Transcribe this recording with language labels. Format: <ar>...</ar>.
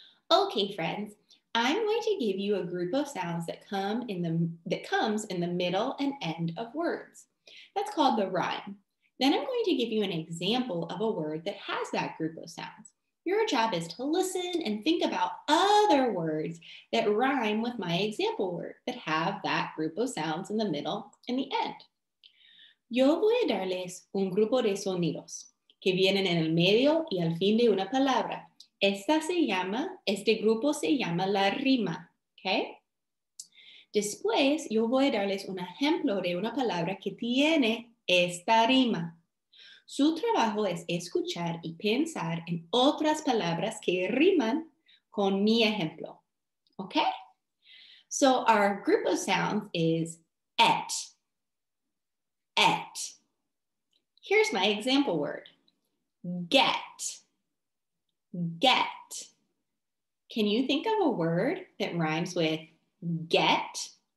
<en>Okay friends, I'm going to give you a group of sounds that comes in the middle and end of words. That's called the rhyme. Then I'm going to give you an example of a word that has that group of sounds. Your job is to listen and think about other words that rhyme with my example word that have that group of sounds in the middle and the end.</en> <es>Yo voy a darles un grupo de sonidos que vienen en el medio y al fin de una palabra. Este grupo se llama la rima, okay? Después, yo voy a darles un ejemplo de una palabra que tiene esta rima. Su trabajo es escuchar y pensar en otras palabras que riman con mi ejemplo, okay?</es> <en>So our group of sounds is et, et. Here's my example word, get. Get. Can you think of a word that rhymes with get?</en>